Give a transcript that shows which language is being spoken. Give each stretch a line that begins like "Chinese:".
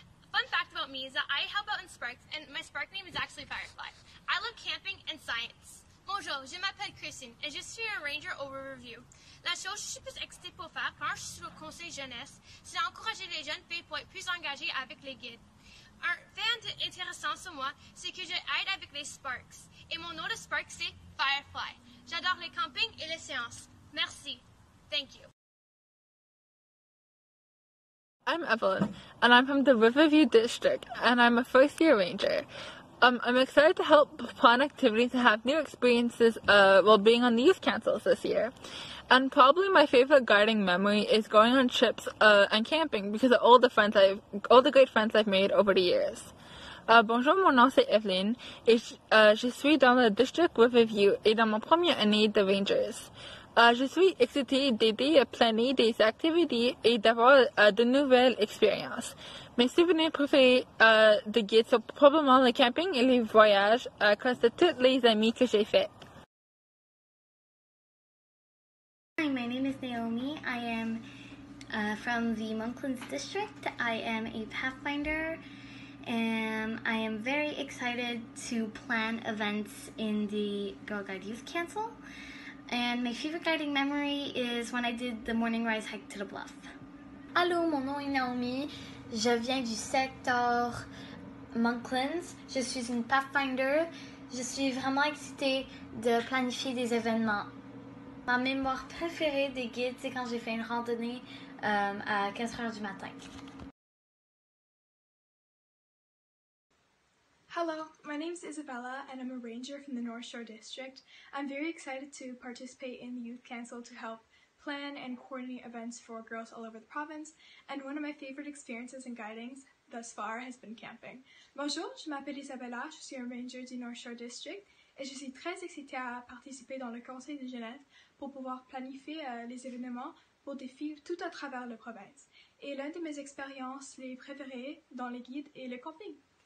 English: Fun fact about me is that I help out in Sparks, and my Spark name is actually Firefly. I love camping and science.
French: Bonjour, je m'appelle Christine, et je suis un ranger overview. La chose que je suis plus excitée pour faire quand je suis au conseil jeunesse, c'est d'encourager les jeunes filles pour être plus engagées avec les guides. Un fait intéressant sur moi, c'est que j'aide avec les Sparks, et mon nom de Spark, c'est Firefly. J'adore les campings et les séances. Merci.
English: Thank you. I'm Evelyn, and I'm from the Riverview District, and I'm a first year ranger. I'm excited to help plan activities and have new experiences while being on the youth councils this year. And probably my favorite guiding memory is going on trips and camping because of all the great friends I've made over the years.
French: Bonjour, mon nom c'est Evelyn, et je suis dans le district Riverview et dans ma première année de rangers. Je suis excitée d'aider à planer des activités et d'avoir de nouvelles expériences. Mes souvenirs préférés de guide sont probablement le camping et les voyages à cause de toutes les amies que j'ai faites.
English: Hi, my name is Naomi. I am from the Monklands District. I am a Pathfinder and I am very excited to plan events in the Girl Guide Youth Council. And my favorite guiding memory is when I did the morning rise hike to the bluff.
French: Allô, mon nom est Naomi. Je viens du secteur Monklands. Je suis une Pathfinder. Je suis vraiment excitée de planifier des événements. Ma mémoire préférée des guides, c'est quand j'ai fait une randonnée à 4h du matin.
English: Hello, my name is Isabella and I'm a ranger from the North Shore District. I'm very excited to participate in the Youth Council to help plan and coordinate events for girls all over the province, and one of my favorite experiences and guidings thus far has been camping.
French: Bonjour, je m'appelle Isabella, je suis un ranger du North Shore District et je suis très excitée à participer dans le conseil de jeunesse pour pouvoir planifier les événements pour des filles tout à travers la province. Et l'une de mes expériences les préférées dans les guides est le camping.